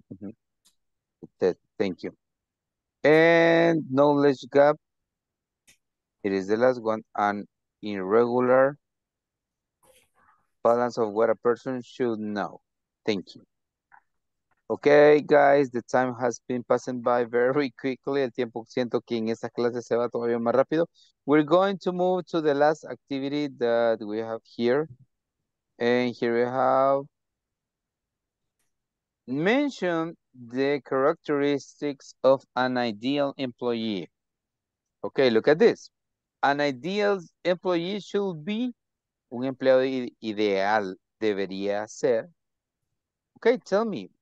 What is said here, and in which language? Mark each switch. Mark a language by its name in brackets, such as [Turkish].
[English] Mm-hmm. Thank you. And knowledge gap. It is the last one. An irregular balance of what a person should know. Thank you. Okay, guys, the time has been passing by very quickly. [Spanish] El tiempo siento que en esta clase se va todavía más rápido. [English] We're going to move to the last activity that we have here. And here we have mention the characteristics of an ideal employee. Okay, look at this. An ideal employee should be [Spanish] un empleado ideal debería ser. [English] Okay, tell me.